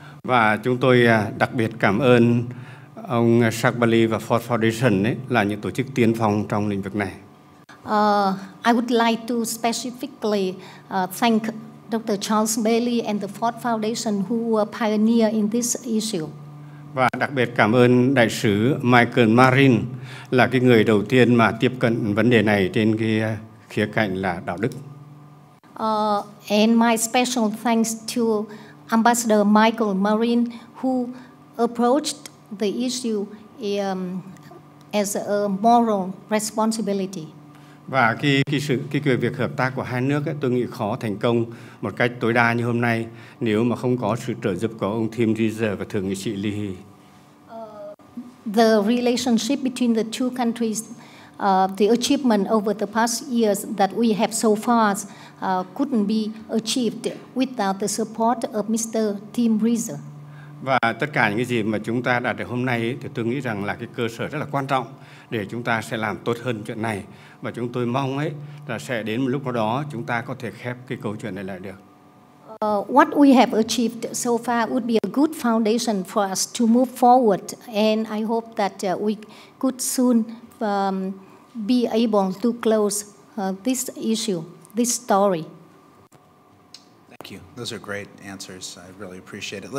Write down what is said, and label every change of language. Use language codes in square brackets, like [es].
[vi] Và chúng tôi đặc biệt cảm ơn ông Jacques Bali và Ford Foundation ấy, là những tổ chức tiên phong trong lĩnh vực này. [en] I would like to specifically thank Dr. Charles Bailey and the Ford Foundation who were pioneer in this issue. [vi] Và đặc biệt cảm ơn đại sứ Michael Marin là cái người đầu tiên mà tiếp cận vấn đề này trên cái khía cạnh là đạo đức. [en] And my special thanks to Ambassador Michael Marin who approached the issue as a moral responsibility. [vi] Và cái việc hợp tác của hai nước ấy, tôi nghĩ khó thành công một cách tối đa như hôm nay nếu mà không có sự trợ giúp của ông Tim Reeser và thượng nghị sĩ Leahy. [en] The relationship between the two countries, the achievement over the past years that we have so far couldn't be achieved without the support of Mr. Tim Reeser. [vi] Và tất cả những cái gì mà chúng ta đạt được hôm nay thì tôi nghĩ rằng là cái cơ sở rất là quan trọng để chúng ta sẽ làm tốt hơn chuyện này. Và chúng tôi mong ấy là sẽ đến một lúc nào đó chúng ta có thể khép cái câu chuyện này lại được. [en] What we have achieved so far would be a good foundation for us to move forward. And I hope that we could soon be able to close this issue, this story. Thank you. Those are great answers. I really appreciate it.